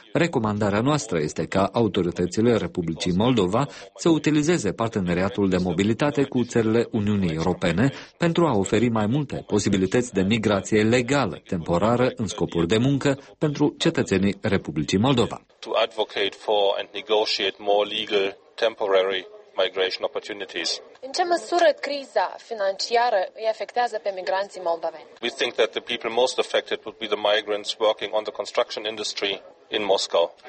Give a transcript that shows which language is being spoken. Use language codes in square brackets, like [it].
[ro] Recomandarea noastră este ca autoritățile Republicii Moldova să utilizeze parteneriatul de mobilitate cu țările Uniunii Europene pentru a oferi mai multe posibilități de migrație legală, temporară, în scopuri de muncă pentru cetățenii Republicii Moldova. [en] To advocate for and negotiate more legal temporary migration opportunities. [ro] În ce măsură criza financiară îi afectează pe migranții moldoveni? [en] We think that the people most affected would be the migrants working on the construction industry in Moscow.